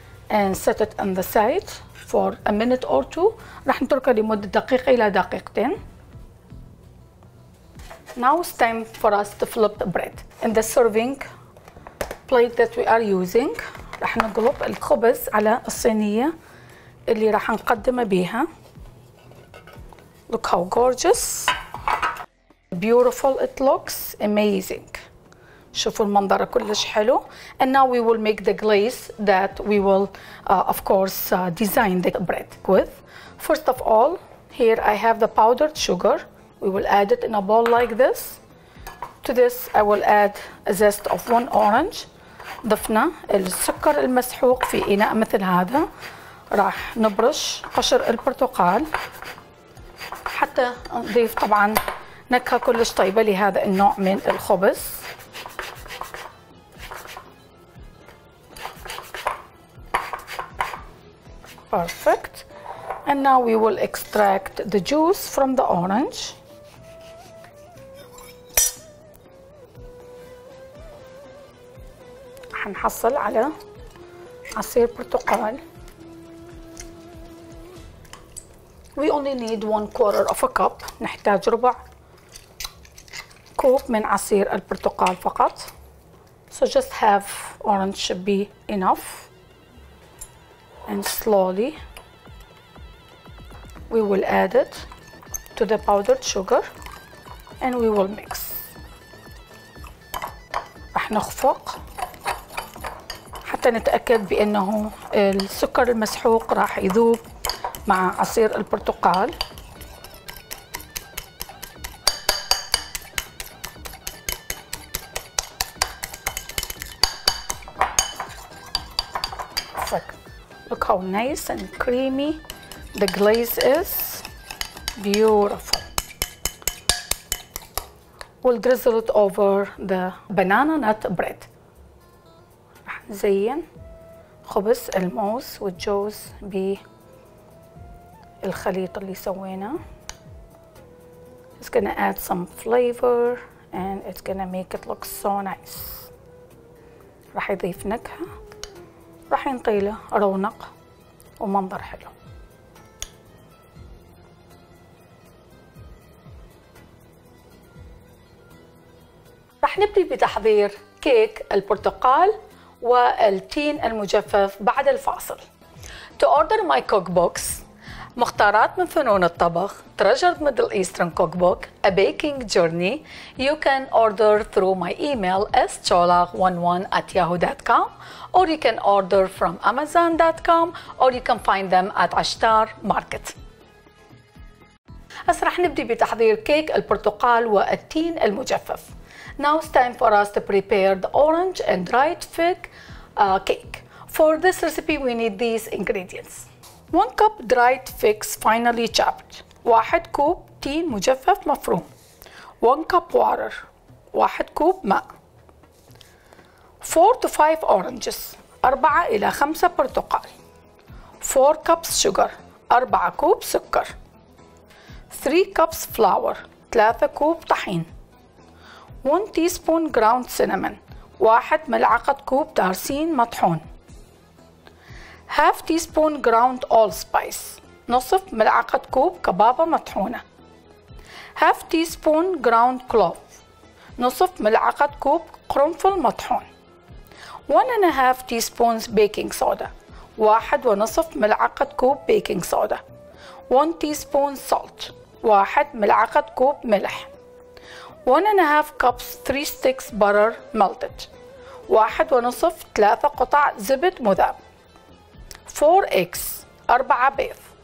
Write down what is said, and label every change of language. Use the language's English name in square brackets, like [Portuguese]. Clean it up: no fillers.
[English] and set it on the side for a minute or two. [Arabic] راح نتركها لمدة دقيقة إلى دقيقتين. [English] Now it's time for us to flip the bread. In the serving plate that we are using, [Arabic] راح نقلب الخبز على الصينية اللي راح نقدمه بيها. [English] Look how gorgeous. Beautiful it looks. Amazing. [Arabic] شوفوا المنظر كلش حلو. [English] And now we will make the glaze that we will of course design the bread with. First of all, here I have the powdered sugar. We will add it in a bowl like this. To this I will add a zest of one orange. [Arabic] ضفنا السكر المسحوق في إناء مثل هذا. راح نبرش قشر البرتقال حتى نضيف طبعا نكهة كلش طيبة لهذا النوع من الخبز. [English] Perfect. And now we will extract the juice from the orange. [Arabic] حنحصل على عصير برتقال. [English] We only need one quarter of a cup. [Arabic] نحتاج ربع كوب من عصير البرتقال فقط. [English] So just half orange should be enough. And slowly we will add it to the powdered sugar and we will mix. [Arabic] راح نخفق حتى نتأكد بأنه السكر المسحوق راح يذوب مع عصير البرتقال. [English] Look how nice and creamy the glaze is. Beautiful. We'll drizzle it over the banana nut bread. [Arabic] راح نزين خبز الموز والجوز ب الخليط اللي سوينا. [English] It's gonna add some flavor and it's gonna make it look so nice. [Arabic] راح يضيف نكهة. راح ينطيله رونق ومنظر حلو. راح نبدأ بتحضير كيك البرتقال والتين المجفف بعد الفاصل. [English] To order my cookbooks, مختارات من فنون الطبخ, Treasured Middle Eastern Cookbook, A Baking Journey, you can order through my email scholagh11@yahoo.com or you can order from amazon.com or you can find them at Ashtar Market. [Arabic] هسه رح نبدأ بتحضير كيك البرتقال والتين المجفف. [English] Now it's time for us to prepare the orange and dried fig cake. For this recipe we need these ingredients. 1 cup dried figs finely chopped. [Arabic] 1 كوب تين مجفف مفروم. [English] 1 cup water. [Arabic] 1 كوب ماء. [English] 4 to 5 oranges. [Arabic] 4 إلى 5 برتقال. [English] 4 cups sugar. [Arabic] 4 كوب سكر. [English] 3 cups flour. [Arabic] 3 كوب طحين. [English] 1 teaspoon ground cinnamon. [Arabic] 1 ملعقة كوب دارسين مطحون. [English] Half teaspoon ground allspice. [Arabic] نصف ملعقة كوب كبابة مطحونة. [English] Half teaspoon ground clove. [Arabic] نصف ملعقة كوب قرنفل مطحون. [English] 1.5 teaspoons baking soda. [Arabic] 1.5 ملعقة كوب baking soda. [English] 1 teaspoon salt. [Arabic] 1 ملعقة كوب ملح. [English] 1.5 cups 3 sticks butter melted. [Arabic] 1.5 3 قطع زبد مذاب. [English] 4 eggs [Arabic] 4 بيض.